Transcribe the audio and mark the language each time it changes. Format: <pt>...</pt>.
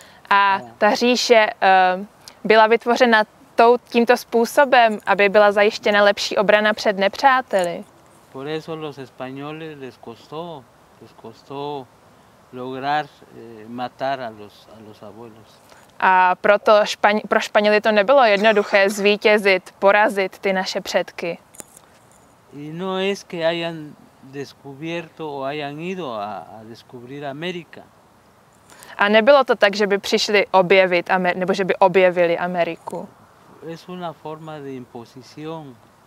<cs>A ta říše byla vytvořena tímto způsobem, aby byla zajištěna lepší obrana před nepřáteli.</cs> <es>Por eso los españoles les costó lograr matar a los abuelos.</es> <cs>A proto pro Španěly to nebylo jednoduché zvítězit, porazit ty naše předky.</cs> <es>Y no es que hayan descubierto o hayan ido a descubrir América.</es> <cs>A nebylo to tak, že by přišli objevit nebo že by objevili Ameriku.</cs> <es>Es una forma de imposición.</es>